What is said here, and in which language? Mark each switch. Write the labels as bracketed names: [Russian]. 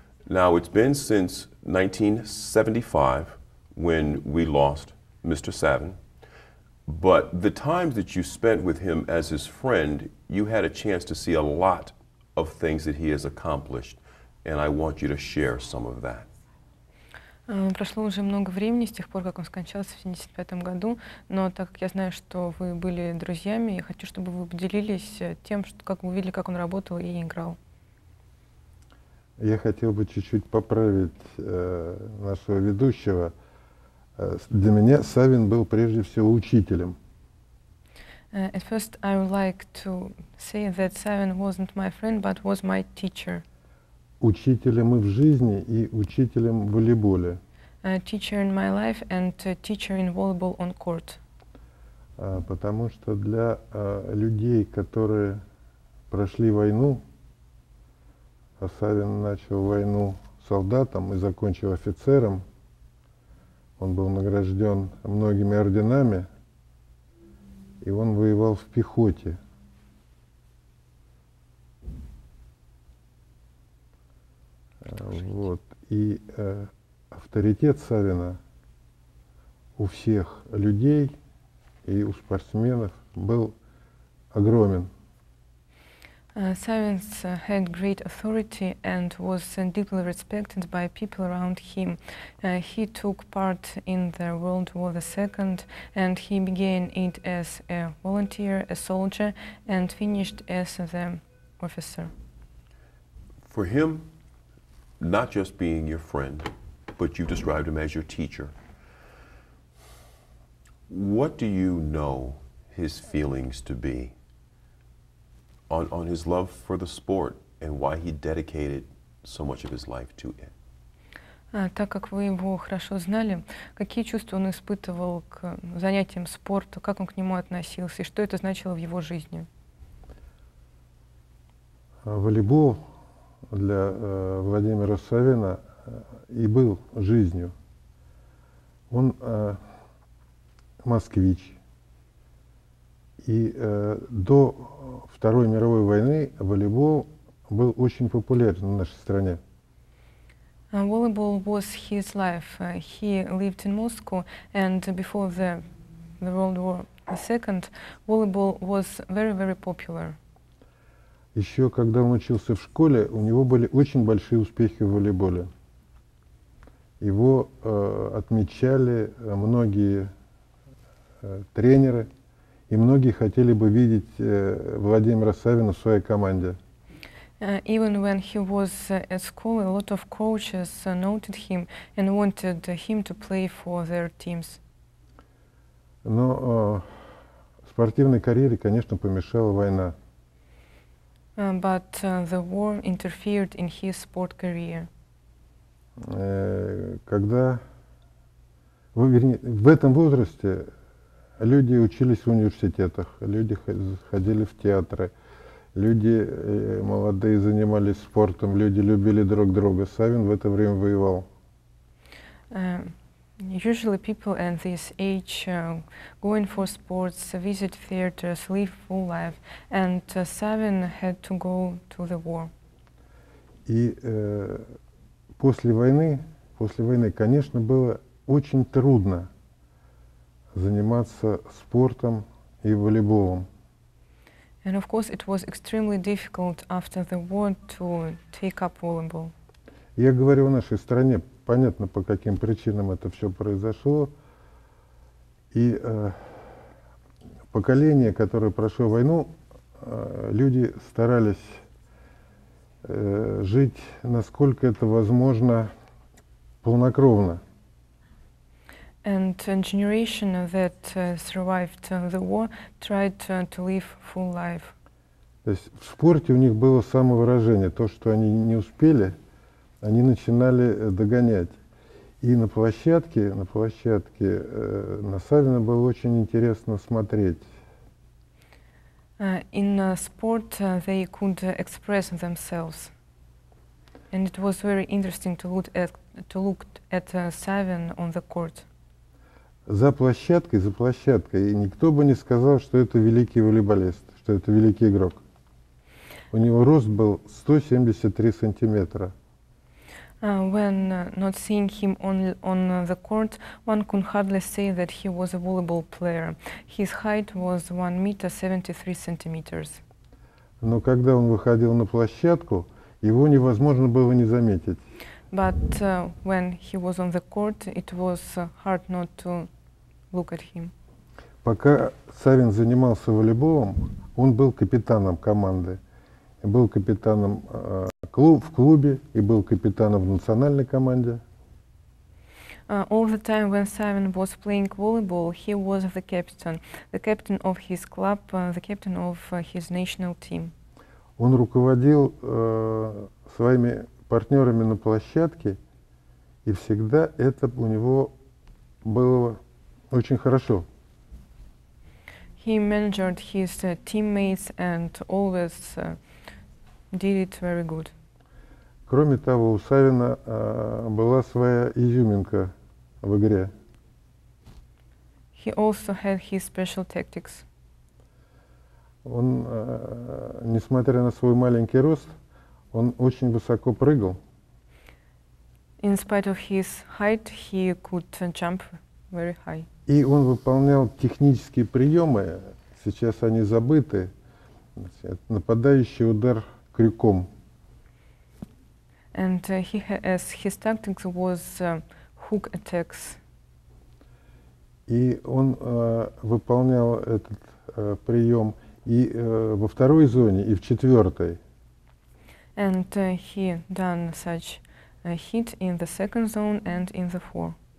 [English] Now, it's been since 1975 when we lost Mr. Savin, but the times that you spent with him as his friend, you had a chance to see a lot of things that he has accomplished, and I want you to share some of that. [Russian] Прошло уже много времени с тех пор, как он скончался в 1975 году, но так как я знаю, что вы были друзьями, я хочу, чтобы вы поделились тем, что, как вы видели, как он работал и играл. Я хотел бы чуть-чуть поправить нашего ведущего. Для меня Савин был прежде всего учителем. [English] At first, I would like to say that Savin wasn't my friend, but was my teacher. [Russian] Учителем и в жизни, и учителем в волейболе. [English] Teacher in my life and teacher in volleyball on court. [Russian] Потому что для людей, которые прошли войну, а Савин начал войну солдатом и закончил офицером, он был награжден многими орденами, и он воевал в пехоте. Вот. И авторитет Савина у всех людей и у спортсменов был огромен. [English] Савин's had great authority and was deeply respected by people around him. He took part in the World War II and he began it as a volunteer, a soldier, and finished as the officer. For him, not just being your friend, but you've described him as your teacher. What do you know his feelings to be on his love for the sport and why he dedicated so much of his life to it? [Russian] Так как вы его хорошо знали, какие чувства он испытывал к занятиям спорта, как он к нему относился, и что это значило в его жизни? Волейбол для Владимира Савина и был жизнью. Он москвич. И до Второй мировой войны волейбол был очень популярен в нашей стране. [English] Volleyball was his life. He lived in Moscow, and before the World War II, volleyball was very, very popular. [Russian] Еще когда он учился в школе, у него были очень большие успехи в волейболе. Его отмечали многие тренеры, и многие хотели бы видеть Владимира Савина в своей команде. [English] Even when he was at school, a lot of coaches noted him and wanted him to play for their teams. [Russian] Но спортивной карьере, конечно, помешала война. [English] But the war interfered in his sport career. [Russian] Когда, вернее, в этом возрасте люди учились в университетах, люди ходили в театры, люди молодые занимались спортом, люди любили друг друга. Савин в это время воевал. [English] Usually people at this age going for sports, visit theaters, live full life, and Savin had to go to the war. [Russian] И после войны, конечно, было очень трудно заниматься спортом и волейболом. [English] And of course it was extremely difficult after the war to take up volleyball. [Russian] Я говорю о нашей стране, понятно, по каким причинам это все произошло. И поколение, которое прошло войну, люди старались жить, насколько это возможно, полнокровно. [English] And a generation that survived the war tried to live full life. [Russian] То есть в спорте у них было самовыражение, то, что они не успели, они начинали догонять. И на площадке на Савина было очень интересно смотреть. [English] In sport they could express themselves. And it was very interesting to look at Savin on the court. [Russian] За площадкой, и никто бы не сказал, что это великий волейболист, что это великий игрок. У него рост был 173 сантиметра. [English] When not seeing him on the court, one could hardly say that he was a volleyball player. His height was 1 meter 73 centimeters. [Russian] Но когда он выходил на площадку, его невозможно было не заметить. [English] But when he was on the court, it was hard not to look at him. [Russian] Пока Савин занимался волейболом, он был капитаном команды. Был капитаном в клубе и был капитаном в национальной команде. [English] All the time when Simon was playing volleyball, he was the captain of his club, the captain of his national team. [Russian] Он руководил своими партнерами на площадке, и всегда это у него было очень хорошо. [English] He managed his teammates and always did it very good. [Russian] Кроме того, у Савина была своя изюминка в игре. [English] He also had his special tactics. [Russian] Он, несмотря на свой маленький рост, он очень высоко прыгал. [English] In spite of his height, he could jump very high. [Russian] И он выполнял технические приемы, сейчас они забыты. Нападающий удар крюком. [English] And his tactics was hook attacks. [Russian] И он выполнял этот прием и во второй зоне, и в четвертой. [English] And he done such a hit in the second zone and in the fourth.